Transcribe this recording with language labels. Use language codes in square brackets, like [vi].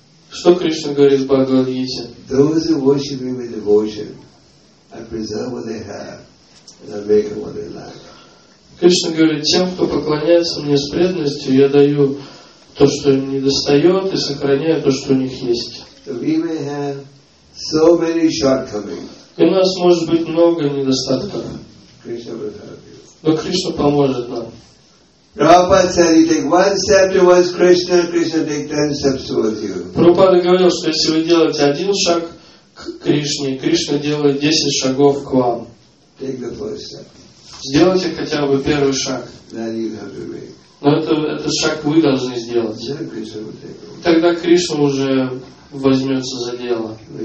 [ru] Что Кришна говорит в Бхагавад-гите? [en] Those who worship me with devotion, I preserve what they have, and I make them what they lack. [ru] Кришна говорит: тем, кто поклоняется мне с преданностью, я даю то, что им не достает, и сохраняю то, что у них есть. [en] We may have so many shortcomings. [ru] И у нас может быть много недостатков. [en] Krishna will help you. [ru] Но Кришна поможет нам. [en] Prabhupada said, you take one step towards Krishna, Krishna take 10 steps towards you. [ru] Prabhupada говорил, что если вы делаете один шаг к Кришне, Кришна делает 10 шагов к вам. [en] Take the first step. [ru] Сделайте хотя бы первый шаг. [en] Then you have to make. [ru] Но этот шаг вы должны сделать. [en] Then Krishna will take over. [ru] Тогда Кришна уже возьмется за дело.